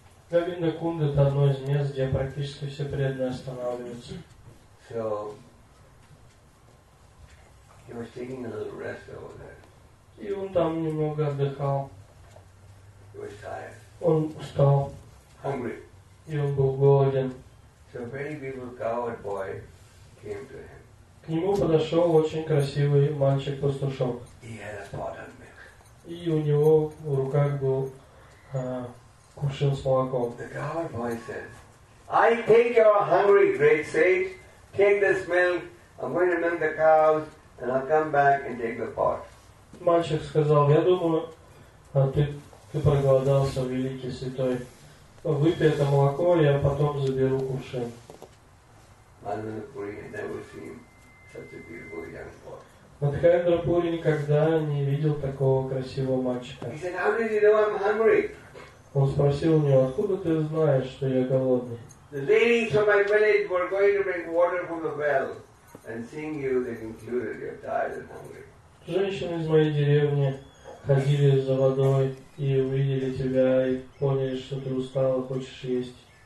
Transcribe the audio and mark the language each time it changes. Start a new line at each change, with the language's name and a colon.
Russian: Говинда Кунда — это одно из мест, где практически все преданные останавливаются.
English: He was taking a little rest over there.
Russian: И он там немного отдыхал.
English: He was tired.
Russian: Он устал.
English: Hungry.
Russian: И он был голоден.
English: So a very beautiful coward boy came to him.
Russian: К нему подошел очень красивый мальчик-пастушок.
English: He had a pot of milk.
Russian: И у него в руках был кувшин с молоком.
English: The coward boy says, "I think you're hungry, great sage. Take this milk. I'm going to milk the cows. And I'll come back and take the pot."
Russian: Мальчик сказал, я думаю, ты проголодался, великий святой. Выпей это молоко, я потом заберу кувшин.
English: Mahendra Puri had never seen such a beautiful young boy.
Russian: Мадхавендра Пури никогда не видел такого красивого мальчика.
English: He said, "How did you know I'm hungry?"
Russian: Он спросил у него, откуда ты знаешь, что я голодный?
English: The ladies from my village were going to bring water from the well, and seeing you, they concluded you're tired and hungry.
Russian: Женщины из моей деревни ходили за водой и увидели тебя и поняли, что ты устал и хочешь есть.